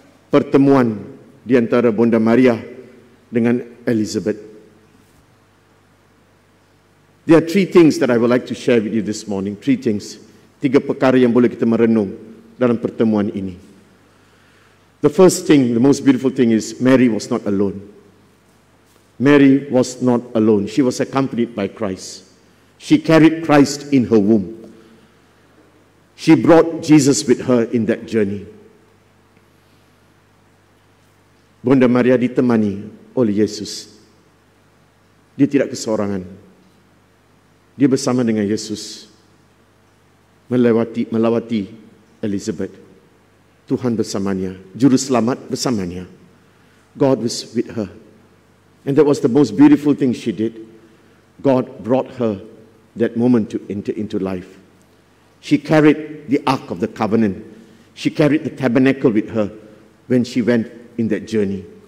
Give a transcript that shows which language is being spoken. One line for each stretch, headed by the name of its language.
Malay: Pertemuan di antara Bunda Maria dengan Elizabeth.
English: There are three things that I would like to share with you this morning. Three things.
Malay: Tiga perkara yang boleh kita merenung dalam pertemuan ini.
English: The first thing, the most beautiful thing is Mary was not alone. Mary was not alone. She was accompanied by Christ. She carried Christ in her womb. She brought Jesus with her in that journey.
Malay: Bunda Maria ditemani oleh Yesus. Dia tidak kesorangan. dia bersama dengan Yesus melawati Elizabeth. Tuhan bersamanya, Juru Selamat bersamanya.
English: God was with her. And that was the most beautiful thing she did. God brought her that moment to enter into life. She carried the Ark of the Covenant. She carried the tabernacle with her when she went in that journey.